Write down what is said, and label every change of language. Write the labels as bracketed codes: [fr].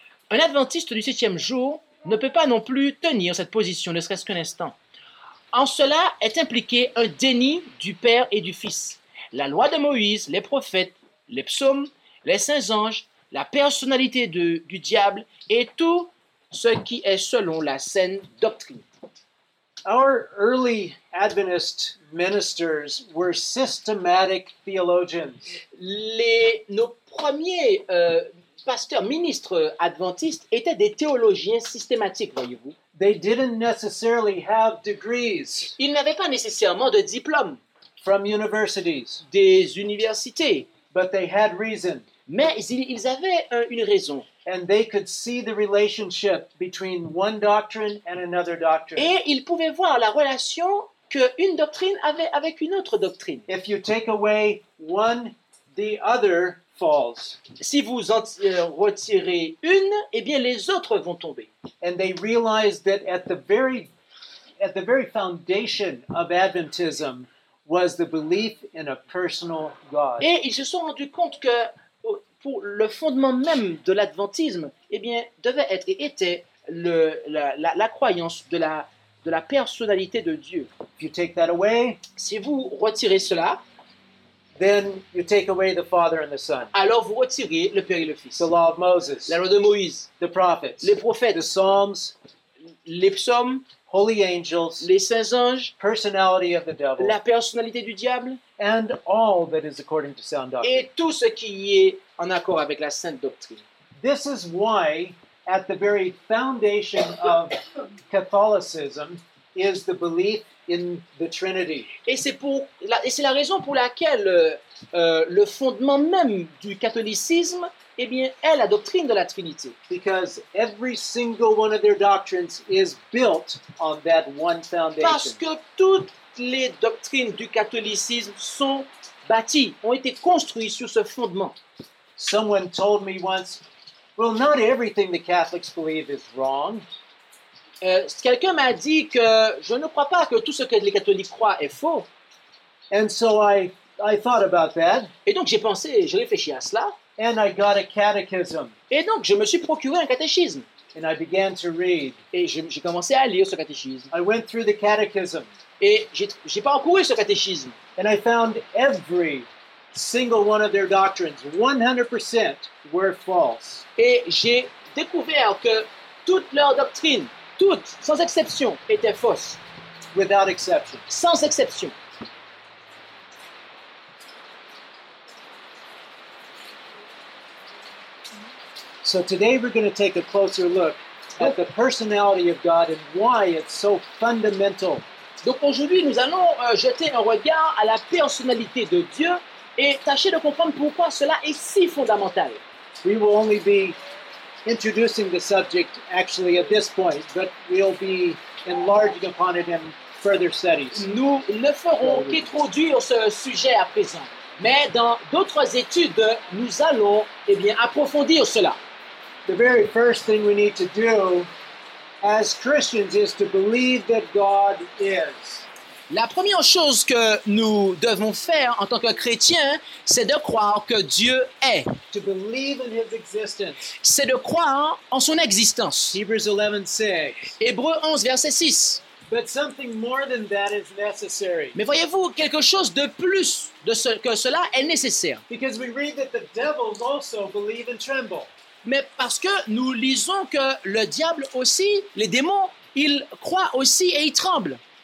[fr] Un adventiste du septième jour ne peut pas non plus tenir cette position, ne serait-ce qu'un instant. En cela est impliqué un déni du Père et du Fils. La loi de Moïse, les prophètes, les psaumes, les saints anges, la personnalité du diable et tout ce qui est selon la saine doctrine. [en] Our early Adventist ministers were systematic theologians. [fr] Nos premiers pasteurs ministres adventistes étaient des théologiens systématiques, voyez-vous. [en] They didn't necessarily have degrees. [fr] Ils n'avaient pas nécessairement de diplôme. [en] From universities. [fr] Des universités. [en] But they had reason. [fr] Mais ils avaient une raison. [en] And they could see the relationship between one doctrine and another doctrine. [fr] Et ils pouvaient voir la relation que une doctrine avait avec une autre doctrine. [en] If you take away one, the other falls. [fr] Si vous en retirez une, eh bien les autres vont tomber. [en] And they realized that at the very foundation of Adventism was the belief in a personal God. [fr] Et ils se sont rendus compte que pour le fondement même de l'adventisme, eh bien, devait être et était la croyance de la personnalité de Dieu. [en] If you take that away, [fr] si vous retirez cela, [en] then you take away the Father and the Son. [fr] Alors vous retirez le Père et le Fils. [en] The law of Moses. [fr] La loi de Moïse. [en] The prophets. [fr] Les prophètes. [en] The Psalms. [fr] Les psaumes. [en] Holy angels, [fr] les saints anges, [en] personality of the devil, [fr] la personnalité du diable, [en] and all that is according to sound doctrine. [fr] Et tout ce qui est en accord avec la sainte doctrine. [en] This is why, at the very foundation of Catholicism, is the belief in the Trinity. [fr] Et c'est la raison pour laquelle le fondement même du catholicisme, eh bien, est la doctrine de la Trinité. [en] Because every single one of their doctrines is built on that one foundation. [fr] Parce que toutes les doctrines du catholicisme sont bâties, ont été construites sur ce fondement. [en] Someone told me once, well, not everything the Catholics believe is wrong. [fr] Quelqu'un m'a dit que je ne crois pas que tout ce que les catholiques croient est faux. [en] And so I thought about that. [fr] Et donc j'ai pensé, j'ai réfléchi à cela. [en] And I got a catechism. [fr] Et donc je me suis procuré un catéchisme. [en] And I began to read. [fr] Et j'ai commencé à lire ce catéchisme. [en] I went through the catechism. [fr] Et j'ai parcouru ce catéchisme. [en] And I found every single one of their doctrines, 100%, were false. [fr] Et j'ai découvert que toutes leurs doctrines, toutes, sans exception, étaient fausses. [en] Without exception. [fr] Sans exception. [en] So today we're going to take a closer look at the personality of God and why it's so fundamental. [fr] Donc aujourd'hui, nous allons jeter un regard à la personnalité de Dieu et tâcher de comprendre pourquoi cela est si fondamental. [en] We will only be introducing the subject actually at this point, but we'll be enlarging upon it in further studies. [fr] Nous ne ferons qu'introduire ce sujet à présent, mais dans d'autres études, nous allons approfondir cela. [en] The very first thing we need to do as Christians is to believe that God is. [fr] La première chose que nous devons faire en tant que chrétiens, c'est de croire que Dieu est. [en] To believe in his existence. [fr] C'est de croire en son existence. [en] Hebrews 11, 6. [fr] Hébreux 11, verset 6. [en] But something more than that is necessary. [fr] Mais voyez-vous, quelque chose de plus de ce, que cela est nécessaire. [en] Because we read that the devils also believe and tremble. [fr] Mais parce que nous lisons que le diable aussi, les démons, ils croient aussi et ils tremblent.